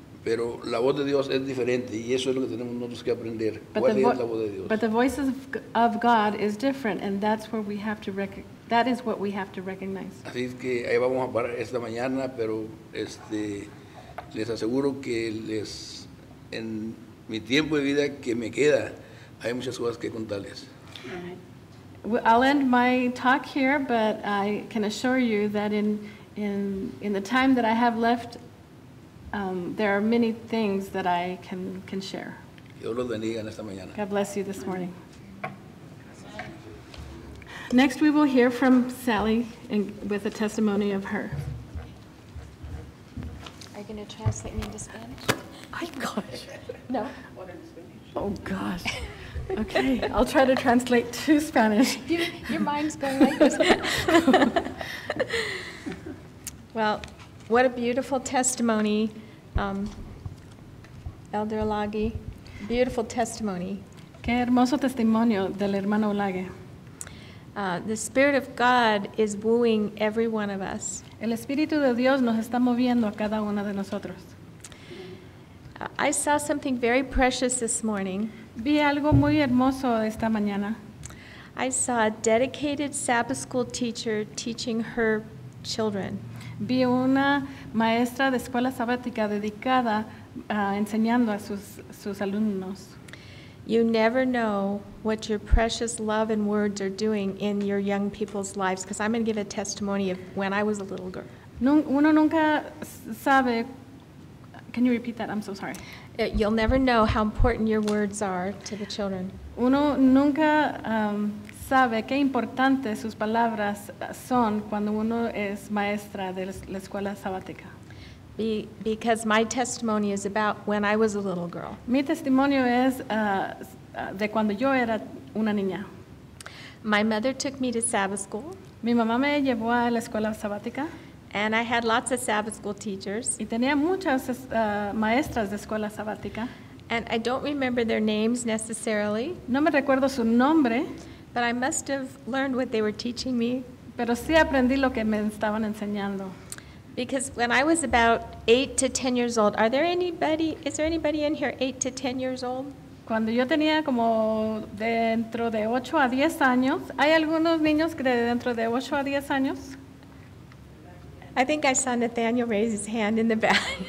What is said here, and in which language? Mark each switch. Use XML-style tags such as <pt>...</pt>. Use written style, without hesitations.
<es>Pero la voz de Dios es diferente, y eso es lo que tenemos nosotros que aprender. ¿Cuál es la voz de Dios?</es> <en>But the voice of God is different, and that's where we have to that is what we have to recognize.</en> <es>Así que ahí vamos a parar esta mañana, pero les aseguro que en mi tiempo de vida que me queda, hay muchas cosas que contarles.</es> <en>I'll end my talk here, but I can assure you that in the time that I have left, there are many things that I can share.</en> <es>Dios los bendiga en esta mañana.</es> <en>God bless you this morning. Next, we will hear from Sally with a testimony of her. Are you going to translate me into Spanish? Oh, gosh. No. Oh, gosh. Okay, I'll try to translate to Spanish. Your mind's going like this. Well, what a beautiful testimony, Elder Olague. Beautiful testimony.</en> <es>Qué hermoso testimonio del hermano Olague.</es> <en>The Spirit of God is wooing every one of us.</en> <es>El Espíritu de Dios nos está moviendo a cada una de nosotros.</es> <en>I saw something very precious this morning.</en> <es>Vi algo muy hermoso esta mañana.</es> <en>I saw a dedicated Sabbath school teacher teaching her children.</en> <es>Vi una maestra de escuela sabática dedicada enseñando a sus alumnos.</es> <en>You never know what your precious love and words are doing in your young people's lives, because I'm going to give a testimony of when I was a little girl.</en> <es>Uno nunca sabe.</es> <en>Can you repeat that? I'm so sorry. You'll never know how important your words are to the children.</en> <es>Uno nunca sabe qué importantes sus palabras son cuando uno es maestra de la escuela sabática.</es> <en>Because my testimony is about when I was a little girl.</en> <es>Mi testimonio es de cuando yo era una niña.</es> <en>My mother took me to Sabbath school.</en> <es>Mi mamá me llevó a la escuela sabática.</es> <en>And I had lots of Sabbath school teachers.</en> <es>Y tenía muchas maestras de escuela sabática.</es> <en>And I don't remember their names necessarily.</en> <es>No me recuerdo su nombre.</es> <en>But I must have learned what they were teaching me.</en> <es>Pero sí aprendí lo que me estaban enseñando.</es> <en>Because when I was about 8 to 10 years old, is there anybody in here 8 to 10 years old?</en> <es>Cuando yo tenía como dentro de 8 a 10 años, ¿hay algunos niños que dentro de 8 a 10 años?</es> <en>I think I saw Nathaniel raise his hand in the back.</en>